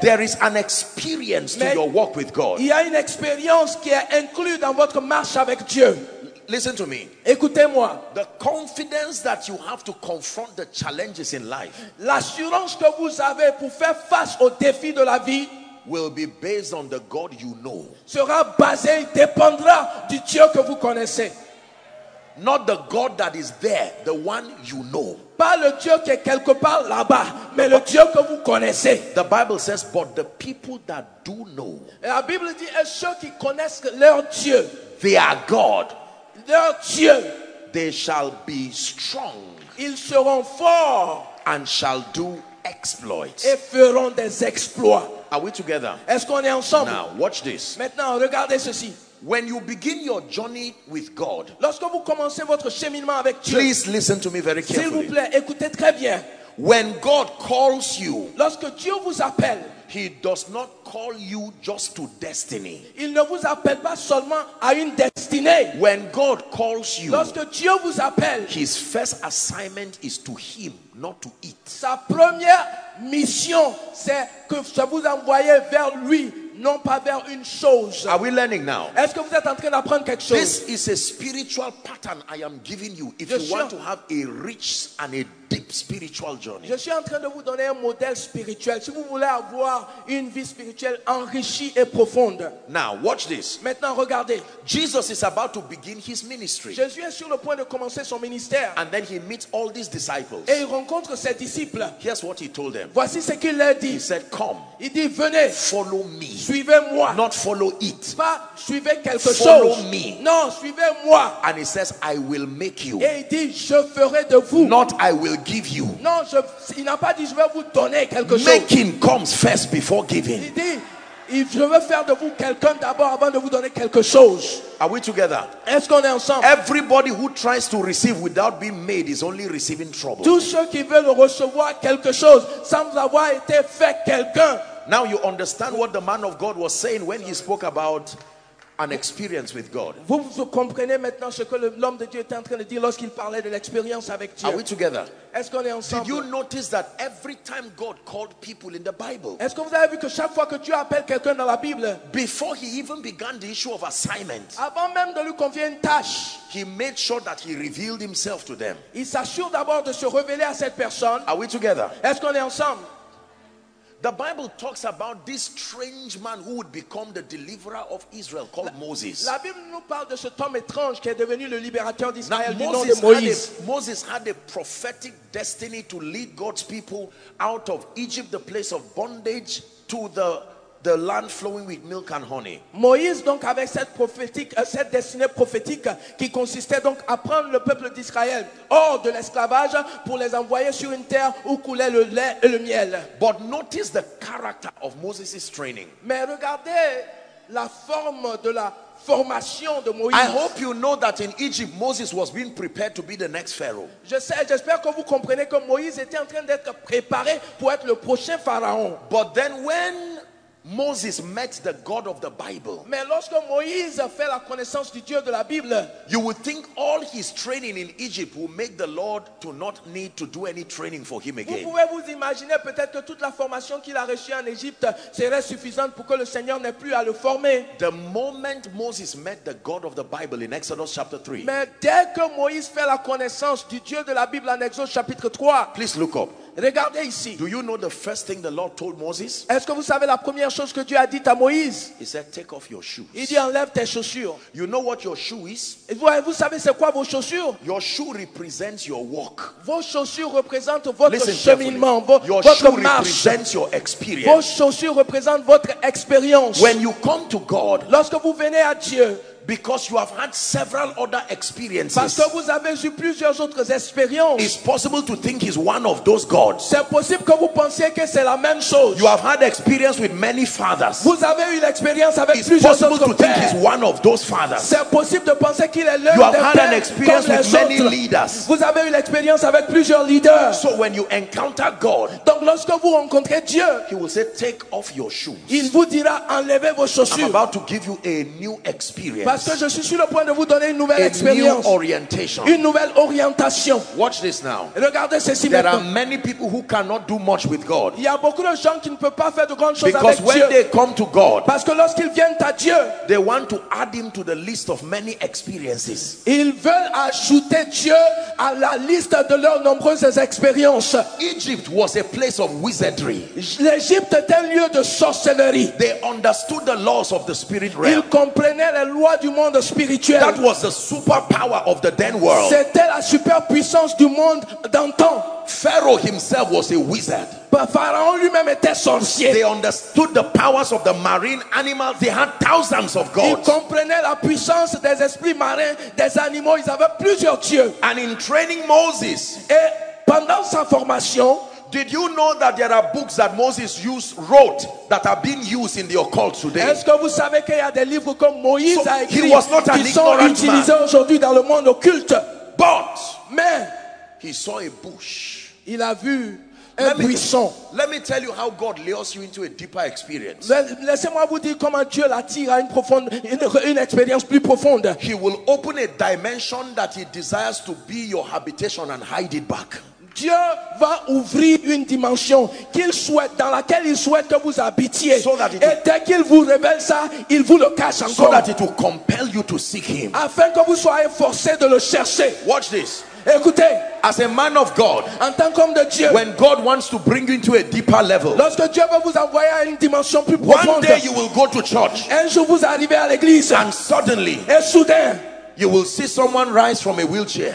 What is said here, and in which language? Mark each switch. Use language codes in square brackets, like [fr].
[en] There is an experience [fr] mais [en] to your walk with God. [fr] Il y a une expérience qui est inclue dans votre marche avec Dieu. [en] Listen to me. [fr] Écoutez-moi. [en] The confidence that you have to confront the challenges in life. [fr] L'assurance que vous avez pour faire face aux défis de la vie. [en] Will be based on the God you know. [fr] Sera basé, dépendra du Dieu que vous connaissez. [en] Not the God that is there, the one you know. [fr] Pas le Dieu qui est quelque part là-bas, mais le Dieu que vous connaissez. [en] The Bible says, but the people that do know. [fr] La Bible dit, et ceux qui connaissent leur Dieu. [en] They are God. [fr] Leur Dieu. [en] They shall be strong. [fr] Ils seront forts. [en] And shall do exploits. [fr] Et feront des exploits. [en] Are we together? [fr] Est-ce qu'on est ensemble? [en] Now, watch this. [fr] Maintenant, regardez ceci. [en] When you begin your journey with God, [fr] lorsque vous commencez votre cheminement avec Dieu, [en] please listen to me very carefully. [fr] S'il vous plaît, écoutez très bien. [en] When God calls you, [fr] lorsque Dieu vous appelle, [en] He does not call you just to destiny. [fr] Il ne vous appelle pas seulement à une destinée. [en] When God calls you, [fr] lorsque Dieu vous appelle, [en] His first assignment is to Him, not to it. [fr] Sa première mission, c'est que je vous envoie vers lui, non pas vers une chose. [en] Are we learning now? [fr] Est-ce que vous êtes en train d'apprendre quelque chose? [en] This is a spiritual pattern I am giving you if you want to have a rich and a deep spiritual journey. [fr] Je suis en train de vous donner un modèle spirituel si vous voulez avoir une vie spirituelle enrichie et profonde. [en] Now watch this. [fr] Maintenant regardez. [en] Jesus is about to begin his ministry. [fr] Jésus est sur le point de commencer son ministère. [en] And then he meets all these disciples. [fr] Et il rencontre ses disciples. [en] Here's what he told them. [fr] Voici ce qu'il leur dit. [en] He said, "Come." [fr] Il dit, venez. [en] Follow me. [fr] Suivez-moi. [en] Not follow it. [fr] Pas suivez quelque [en] follow [fr] chose. [en] Follow me. [fr] Non, suivez-moi. [en] And he says, "I will make you." [fr] Et il dit, je ferai de vous. [en] Not I will give you. [fr] Non, il n'a pas dit je vais vous donner quelque chose. [en] Making comes first before giving. [fr] Il dit, je veux faire de vous quelqu'un d'abord avant de vous donner quelque chose. [en] Are we together? [fr] Est-ce qu'on est ensemble? [en] Everybody who tries to receive without being made is only receiving trouble. [fr] Tous ceux qui veulent recevoir quelque chose sans avoir été fait quelqu'un. [en] Now you understand what the man of God was saying when he spoke about an experience with God. [fr] Vous comprenez maintenant ce que l'homme de Dieu était en train de dire lorsqu'il parlait de l'expérience avec Dieu. [en] Are we together? [fr] Est-ce qu'on est ensemble? [en] Did you notice that every time God called people in the Bible? [fr] Est-ce que vous avez vu que chaque fois que Dieu appelle quelqu'un dans la Bible, [en] before he even began the issue of assignment, [fr] avant même de lui confier une tâche, [en] he made sure that he revealed himself to them. [fr] Il s'assure d'abord de se révéler à cette personne. [en] Are we together? [fr] Est-ce qu'on est ensemble? [en] The Bible talks about this strange man who would become the deliverer of Israel called Moses. [fr] La Bible nous parle de cet homme étrange qui est devenu le libérateur d'Israël. [en] Moses had a prophetic destiny to lead God's people out of Egypt, the place of bondage, to the land flowing with milk and honey. [fr] Moïse donc avait cette destinée prophétique qui consistait donc à prendre le peuple d'Israël hors de l'esclavage pour les envoyer sur une terre où coulait le lait et le miel. [en] But notice the character of Moses' training. [fr] Mais regardez la forme de la formation de Moïse. [en] I hope you know that in Egypt Moses was being prepared to be the next Pharaoh. [fr] J'espère que vous comprenez que Moïse était en train d'être préparé pour être le prochain pharaon. [en] But then when Moses met the God of the Bible, [fr] mais lorsque Moïse fait la connaissance du Dieu de la Bible, [en] you would think all his training in Egypt will make the Lord to not need to do any training for him again. [fr] Vous pouvez vous imaginer peut-être que toute la formation qu'il a reçue en Égypte serait suffisante pour que le Seigneur n'ait plus à le former. [en] The moment Moses met the God of the Bible in Exodus chapter 3, [fr] mais dès que Moïse fait la connaissance du Dieu de la Bible en Exode chapitre 3, [en] please look up. [fr] Regardez ici. [en] Do you know the first thing the Lord told Moses? [fr] Est-ce que vous savez la première chose que Dieu a dit à Moïse? [en] He said, "Take off your shoes." [fr] Il dit, enlève tes chaussures. [en] You know what your shoe is? [fr] Vous savez c'est quoi vos chaussures? [en] Your shoe represents your walk. [fr] Vos chaussures représentent votre [en] Listen [fr] cheminement, [en] carefully. your [fr] votre [en] shoe [fr] marche. [en] Represents your experience. [fr] Vos chaussures représentent votre expérience. [en] When you come to God, [fr] lorsque vous venez à Dieu, [en] because you have had several other experiences, [fr] parce que vous avez eu plusieurs autres expériences, [en] it's possible to think he's one of those gods. [fr] C'est possible que vous pensiez que c'est la même chose. [en] You have had experience with many fathers. [fr] Vous avez eu l'expérience avec [en] it's [fr] plusieurs [en] possible [fr] autres [en] to [fr] pères. [en] Think he's one of those fathers. [fr] C'est possible de penser qu'il est l'un [en] you [fr] des [en] have had [fr] pères [en] an experience [fr] comme [en] with many leaders. [fr] Vous avez eu l'expérience avec plusieurs leaders. [en] So when you encounter God, [fr] donc lorsque vous rencontrez Dieu, [en] he will say, "Take off your shoes." [fr] Il vous dira, enlevez vos chaussures. [en] I'm about to give you a new experience. [fr] Parce que je suis sur le point de vous donner une nouvelle [en] a [fr] expérience. [en] New orientation. [fr] Une nouvelle orientation. [en] Watch this now. [fr] Regardez ceci [en] there [fr] maintenant. [en] Are many people who cannot do much with God. [fr] Il y a beaucoup de gens qui ne peuvent pas faire de grandes choses [en] because [fr] avec [en] when [fr] Dieu. [en] They come to God, [fr] parce que lorsqu'ils viennent à Dieu, [en] they want to add him to the list of many experiences. [fr] Ils veulent ajouter Dieu à la liste de leurs nombreuses expériences. [en] Egypt was a place of wizardry. [fr] L'Égypte était un lieu de sorcellerie. [en] They understood the laws of the spirit realm. [fr] Ils comprenaient les lois du monde spirituel. [en] That was the superpower of the then world. [fr] C'était la superpuissance du monde d'antan. [en] Pharaoh himself was a wizard. [fr] Pharaon lui-même était sorcier. [en] They understood the powers of the marine animals. They had thousands of gods. [fr] Ils comprenaient la puissance des esprits marins, des animaux. Ils avaient plusieurs dieux. [en] And in training Moses, [fr] et pendant sa formation, [en] did you know that there are books that Moses used, wrote, that are being used in the occult today? [fr] Est-ce que vous savez qu'il y a des livres comme Moïse a écrit? [en] He was not an ignorant man. [fr] Qui sont utilisés aujourd'hui dans le monde occulte? [en] But [fr] mais [en] he saw a bush. [fr] Il a vu un buisson. [en] Let me tell you how God lures you into a deeper experience. [fr] Laissez-moi vous dire comment Dieu l'attire à une expérience plus profonde. [en] He will open a dimension that he desires to be your habitation and hide it back. [fr] Dieu va ouvrir une dimension qu'il souhaite, dans laquelle il souhaite que vous habitiez. [en] So that [fr] et dès qu'il vous révèle ça, il vous le cache encore. [en] So that it will compel you to seek him. [fr] Afin que vous soyez forcé de le chercher. [en] Watch this. [fr] Écoutez, [en] as a man of God, [fr] en tant qu'homme de Dieu, [en] when God wants to bring you into a deeper level, [fr] lorsque Dieu va vous envoyer à une dimension plus profonde, [en] one day you will go to church, [fr] un jour vous arrivez à l'église, [en] and suddenly, [fr] et soudain, [en] you will see someone rise from a wheelchair.